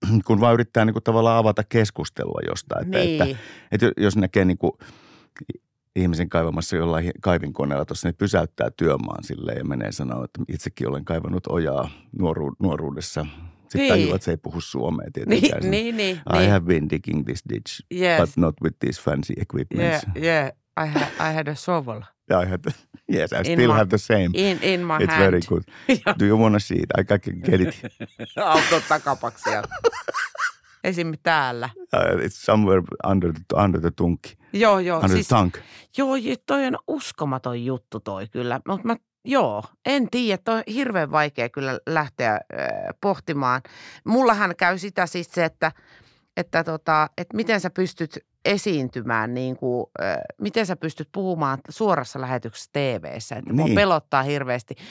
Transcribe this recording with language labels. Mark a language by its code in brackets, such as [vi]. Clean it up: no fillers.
[fi] Kun vaan yrittää niin kuin tavallaan avata keskustelua jostain. Että, niin. Että jos näkee niin kuin ihmisen kaivamassa jollain kaivinkoneella tuossa, niin pysäyttää työmaan silleen ja menee sanoa, että itsekin olen kaivannut ojaa nuoruudessa. Sitten niin. Tajua, että se ei puhu suomea tietenkään. Niin. [en] Have been digging this ditch, yes. But not with these fancy equipments. I had a shovel. Yes, I still have the same. In my It's hand. It's very good. Do you want to see it? I can get it. [fi] Auton takapaksia. Esim. Täällä. [en] It's somewhere under the tunk. [fi] Joo. [en] Under siis, the tank. [fi] Joo, toi on uskomaton juttu toi kyllä. Mutta mä, joo, en tiedä. Toi on hirveän vaikea kyllä lähteä pohtimaan. Mullahan käy sitä siis se, että miten sä pystyt esiintymään, niin kuin, miten sä pystyt puhumaan suorassa lähetyksessä TV:ssä, että niin. Mua pelottaa hirveästi.